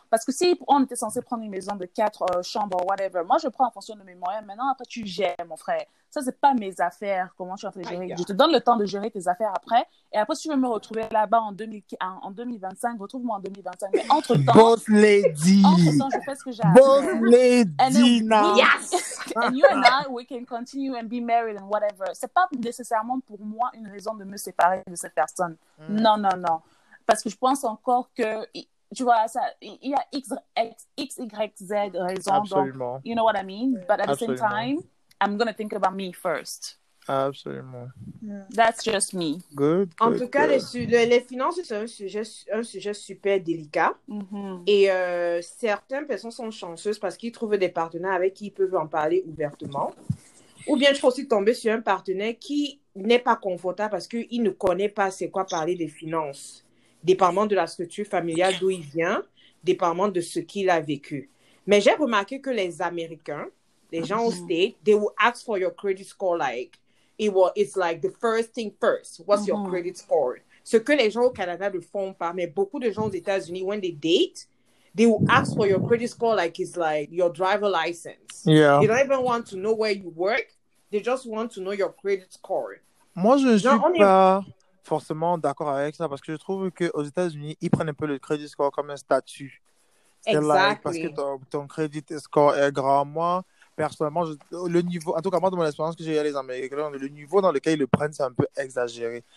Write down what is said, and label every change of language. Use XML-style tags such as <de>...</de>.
<fr>Parce que si on était censé prendre une maison de 4 chambres, whatever, moi, je prends en fonction de mes moyens. Maintenant, après, tu gères, mon frère. Ça, ce n'est pas mes affaires. Comment tu vas faire gérer? Je te donne le temps de gérer tes affaires après. Et après, si tu veux me retrouver là-bas en 2025, retrouve-moi en 2025. Mais entre-temps,</fr> <en>Boss lady.</en> <fr>Entre-temps, je fais ce que j'ai à</fr> <en>Boss lady and then, now. Yes! And you and I, we can continue and be married and whatever.</en> <fr>Ce n'est pas nécessairement pour moi une raison de me séparer de cette personne. Non, non, non. Parce que je pense encore que, tu vois, ça, il y a X, Y, Z raisons. Absolument. Donc,</fr> <en>you know what I mean? But at the same time, I'm going to think about me first.</en> <fr>Absolument.</fr> <en>That's just me. Good.</en> <fr>En tout cas, les finances, c'est un sujet super délicat. Et certaines personnes sont chanceuses parce qu'ils trouvent des partenaires avec qui ils peuvent en parler ouvertement. Ou bien, tu peux aussi tomber sur un partenaire qui n'est pas confortable parce qu'il ne connaît pas c'est quoi parler des finances, dépendamment de la structure familiale d'où il vient, dépendamment de ce qu'il a vécu. Mais j'ai remarqué que les Américains, les gens au state,</fr> <en>they will ask for your credit score like, it's like the first thing first, what's your credit score?</en> <fr>Ce que les gens au Canada ne font pas, mais beaucoup de gens aux États-Unis,</fr> <en>when they date, they will ask for your credit score like it's like your driver license. Yeah. They don't even want to know where you work. They just want to know your credit score.</en> <fr>Moi, je ne suis pas forcément d'accord avec ça parce que je trouve qu'aux États-Unis, ils prennent un peu le credit score comme un statut. C'est exactly. Like parce que ton credit score est grand. Moi, personnellement, le niveau, en tout cas, moi, dans mon expérience que j'ai eu à les Américains, le niveau dans lequel ils le prennent, c'est un peu exagéré.</fr>